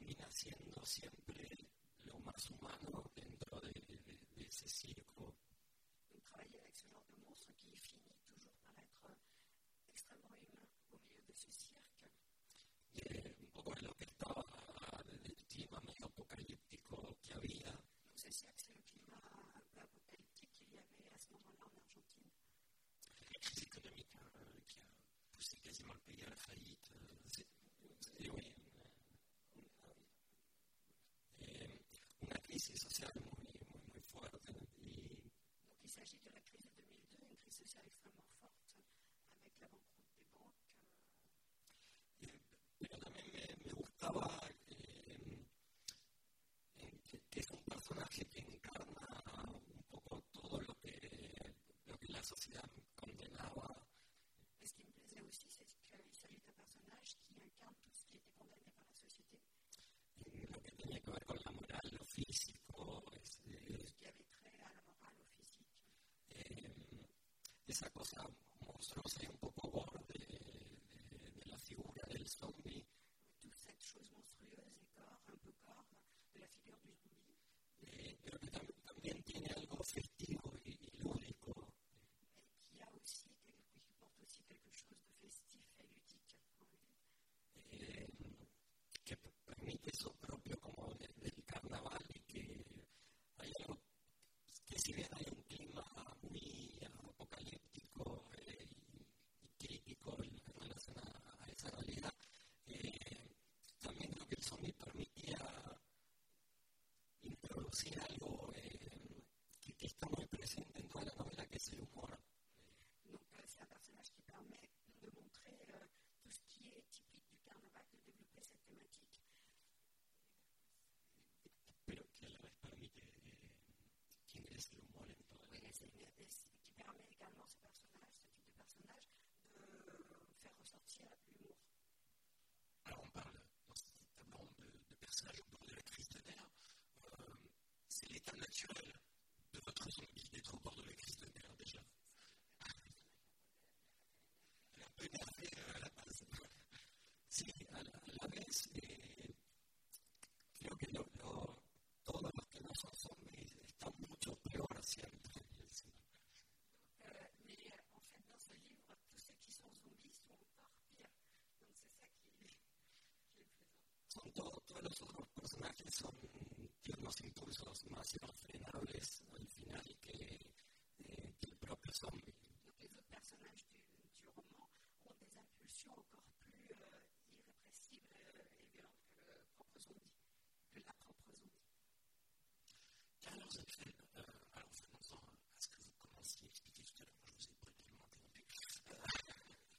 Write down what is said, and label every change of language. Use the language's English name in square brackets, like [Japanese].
[Spanish] Siendo siempre lo más humano dentro de ese circo. [French] Travailler avec ce genre de monstre qui finit toujours par être extrêmement humain au milieu de ce cirque. [Spanish] Un poco de lo que estaba en el clima medio apocalíptico que había. No sé si [French] c'est le climat un peu apocalyptique qu'il y avait à ce moment-là en Argentine. La crise économique qui a poussé quasiment le pays à la faillite. Oui. Donc il s'agit de la crise de 2002, une crise sociale extrêmement forte avec la banqueroute des banques. [Spanish] Pero también me gustaba que es un personaje que encarna un poco todo lo que la sociedad condenaba. [French] Ce qui me plaisait aussi, c'est qu'il s'agit d'un personnage qui incarne tout ce qui était condamné par la société. [Spanish] Lo que tenía que ver con la moral, lo físico, esa cosa monstruosa y un poco borde de la figura del zombie. [French] Toute cette chose monstrueuse et corps, un peu corps, de la figure du zombie. [Spanish] Pero que también tiene algo festivo y lúdico. [French] Et qui a aussi, qui porte aussi quelque chose de festif et ludique. [Spanish] Que permite eso propio como del carnaval y que hay algo que si bien hay un clima muy apocalíptico y crítico en relación a esa realidad, también creo que el zombie permitía introducir algo que está muy presente en toda la novela, que es el humor. No, pero es un personaje que permite [French] de montrer tout ce qui est typique du carnaval, de développer cette thématique. [Spanish] Pero que a la vez permite que ingrese el humor en todo. [French] Oui, qui permet également ce personnage, ce type de personnage, de faire ressortir l'humour. Alors, on parle dans ce tableau de personnages au bord de la crise de nerfs. C'est l'état naturel de votre zombie d'être au bord de la crise de nerfs, déjà. [Spanish] Sí, a la vez creo que todos los que no son zombies están mucho peor siempre. Son todos los otros personajes son tienen los impulsos más irrefrenables al final que el propio zombie. Los personajes [French] du roman ont des impulsions encore plus irrépressibles et violentes que la propre zombie. Carlos Etchel, alors venons-en à ce que vous commenciez à expliquer tout à l'heure, moi je vous ai brutalement interrompu.